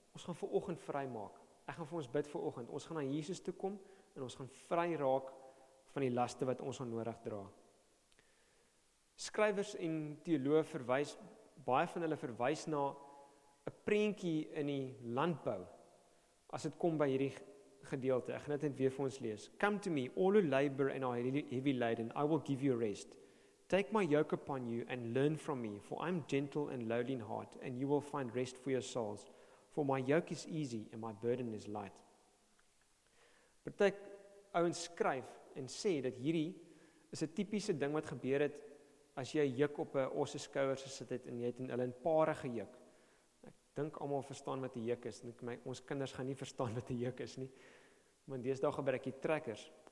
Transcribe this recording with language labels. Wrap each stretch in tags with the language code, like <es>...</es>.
<af>Ons gaan vir oggend vry maak. Ek gaan vir ons bid vir oggend. Ons gaan na Jesus toe kom, en ons gaan vry raak van die laste wat ons onnodig dra. Skrywers en teoloë verwys, baie van hulle verwys na 'n prentjie in die landbou, as het kom by hierdie gedeelte, ek gaan dit net weer vir ons lees.</af> <en>Come to me, all who labor and are heavy laden, I will give you rest. Take my yoke upon you and learn from me, for I am gentle and lowly in heart, and you will find rest for your souls. For my yoke is easy and my burden is light.</en> <af>Partyke ouens skryf en sê dat hierdie is 'n typiese ding wat gebeur het as jy juk op 'n osse skouers gesit het en jy het hulle in pare gejuk. Dink almal verstaan wat die juk is, en ons kinders gaan nie verstaan wat die juk is nie, want deesdae gebruik jy trekkers.</af>